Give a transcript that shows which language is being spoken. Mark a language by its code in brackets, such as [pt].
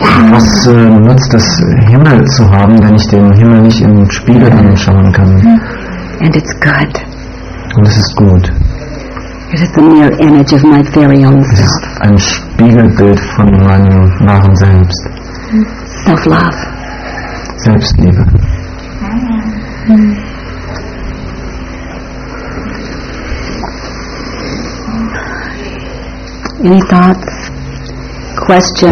[de] Was nutzt es, Himmel zu haben, wenn ich den Himmel nicht im Spiegel anschauen kann? [en] And it's good. [de] Und es ist gut. [en] It is the mere image of my very own self. [de] Es ist ein Spiegelbild von meinem wahren Selbst. [en] Self-love. [de] Selbstliebe. [en] Any thoughts? Questions?